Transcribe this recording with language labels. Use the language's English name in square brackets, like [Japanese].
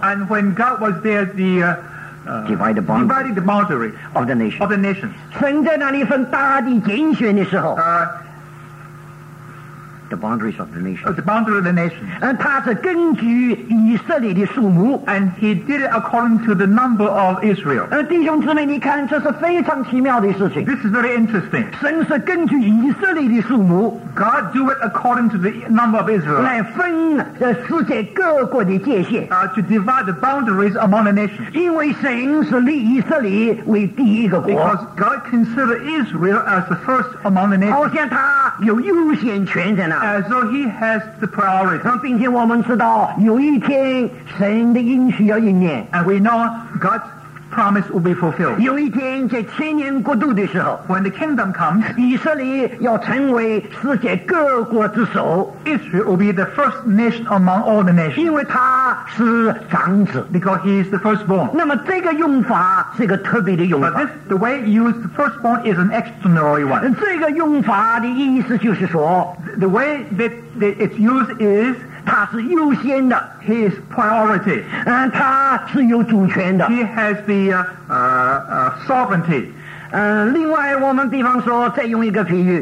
[English] and when God was there the divided the boundary of the nation of the nations [Chinese] 神在那里分大地拣选的时候 [English] The boundaries of the nation. The boundary of the nation. [Chinese] 他是根据以色列的数目。 [English] And he did it according to the number of Israel. [Chinese] 弟兄姊妹，你看，这是非常奇妙的事情。 [English] This is very interesting. [Chinese] 神是根据以色列的数目。 [English] God do it according to the number of Israel. [Chinese] 来分世界各国的界限。 [English] To divide the boundaries among the nations. [Chinese] 因为神是立以色列为第一个国。 [English] Because God considered Israel as the first among the nations. [Chinese] 好像他有优先权的。 [English] So he has the priority. [Chinese] 并且我们知道有一天神的应许要应验。 [English] And we know God's promise will be fulfilled. [Chinese] 有一天在千年国度的时候 [English] When the kingdom comes, [Chinese] 以色列要成为世界各国之首。 [English] Israel will be the first nation among all the nations. [Chinese] 因为他是长子。 [English] Because he is the firstborn. [Chinese] 那么这个用法是一个特别的用法。 [English] But this, the way you use the firstborn is an extraordinary one. [Chinese] 这个用法的意思就是说 [English] The way that it's used is [Chinese] 他是优先的 [English] He is priority [Chinese] 他是有主权的 [English] He has the sovereignty [Chinese] 另外我们比方说再用一个比喻